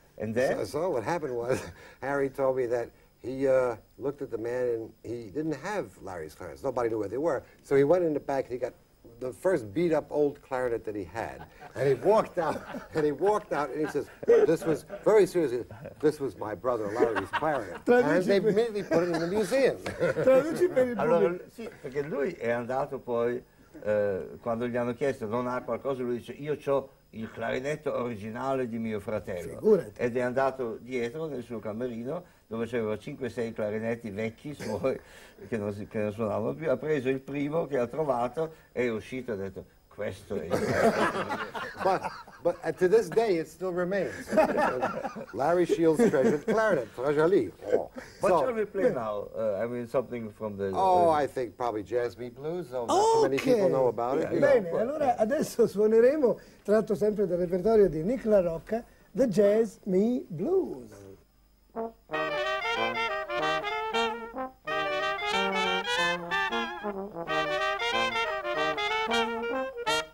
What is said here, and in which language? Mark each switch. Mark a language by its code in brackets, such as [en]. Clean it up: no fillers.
[en] And then so what happened was Harry told me that he looked at the man and he didn't have Larry's clarinets. Nobody knew where they were. So he went in the back and he got the first beat up old clarinet that he had. And he walked out and he says, this was very seriously, this was my brother Larry's clarinet. And they immediately put it in the museum. [it] Perché lui è andato poi. Quando gli hanno chiesto non ha qualcosa, lui dice io ho il clarinetto originale di mio fratello. Figurati. Ed è andato dietro nel suo camerino dove c'erano 5-6 clarinetti vecchi suoi che non suonavano più, ha preso il primo che ha trovato e è uscito e ha detto questo è il [en] but to this day it still remains Larry Shields treasured clarinet treasure leaf. What shall we play now? I mean something from the I think probably Jazz Me Blues, though not too many people know about it. [it] Bene, allora adesso suoneremo, tratto sempre dal repertorio di Nick LaRocca, The Jazz Me Blues. [en] Thank you.